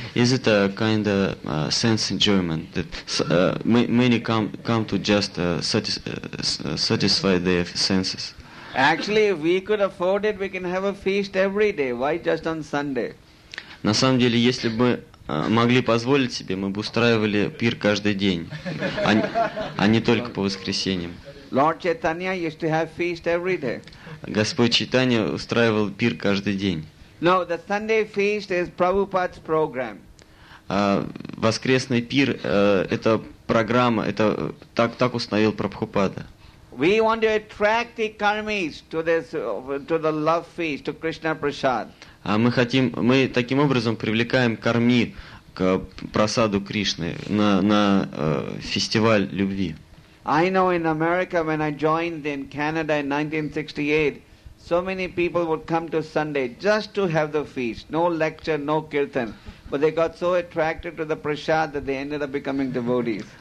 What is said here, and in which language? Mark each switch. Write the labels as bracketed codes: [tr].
[en] Is it a kind of sense enjoyment that many come to just satisfy their senses? Actually, if we could afford it, we can have a feast every day. Why just on Sunday? [ru] На самом деле, если бы могли позволить себе, мы бы устраивали пир каждый день, а не только по воскресеньям. [en] Lord Chaitanya used to have feast every day. [ru] Господь Чайтанья устраивал пир каждый день. [en] No, the Sunday feast is Prabhupada's program. [ru] Воскресный пир это программа, это так установил Прабхупада. [en] We want to attract the karmis to the love feast, to Krishna Prasad. [ru] Мы таким образом привлекаем карми к просаду Кришны на фестиваль любви. [en] I know in America when I joined in Canada in 1968, so many people would come to Sunday just to have the feast, no lecture, no kirtan. But they got so attracted to the prasad that they ended up becoming devotees.